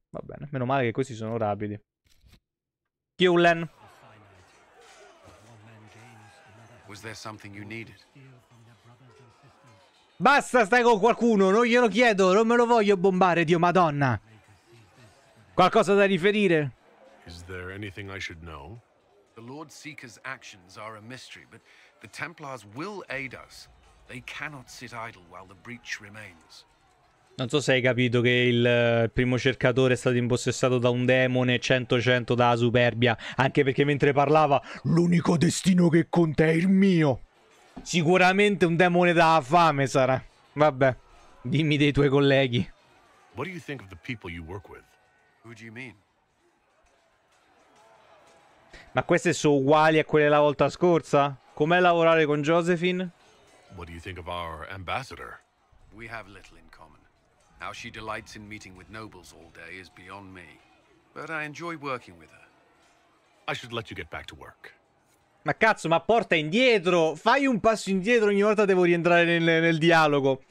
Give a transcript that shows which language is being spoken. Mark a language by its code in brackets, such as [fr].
[it] Va bene, meno male che questi sono rapidi. Cullen. [en] Was there something you needed? [it] Basta, stai con qualcuno, non glielo chiedo, non me lo voglio bombare, Dio Madonna. Qualcosa da riferire? [en] Is there anything I should know? The Lord Seeker's actions are a mystery, but the Templars will aid us. They cannot sit idle while the breach remains. [it] Non so se hai capito che il primo cercatore è stato impossessato da un demone 100-100 dalla superbia. Anche perché mentre parlava, l'unico destino che conta è il mio. Sicuramente un demone dalla fame sarà. Vabbè, dimmi dei tuoi colleghi. [en] What do you think of the people you work with? Who do you mean? [it] Ma queste sono uguali a quelle la volta scorsa? Com'è lavorare con Josephine? [en] What do you think of our ambassador? We have little in common. How she delights in meeting with nobles all day is beyond me. But I enjoy working with her. I should let you get back to work. [it] Ma cazzo, ma porta indietro! Fai un passo indietro ogni volta devo rientrare nel dialogo.